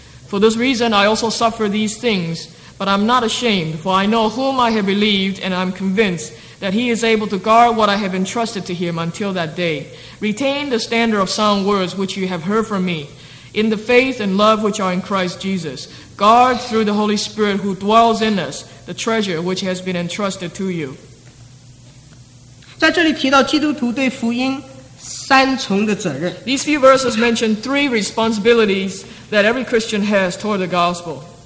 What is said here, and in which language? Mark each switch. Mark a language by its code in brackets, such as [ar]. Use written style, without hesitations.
[en] For this reason, I also suffer these things, but I'm not ashamed, for I know whom I have believed, and I'm convinced that he is able to guard what I have entrusted to him until that day. Retain the standard of sound words which you have heard from me, in the faith and love which are in Christ Jesus. Guard through the Holy Spirit who dwells in us the treasure which has been entrusted to you. [zh] 在这里提到基督徒对福音三重的责任。 [en] These few verses mention three responsibilities that every Christian has toward the gospel.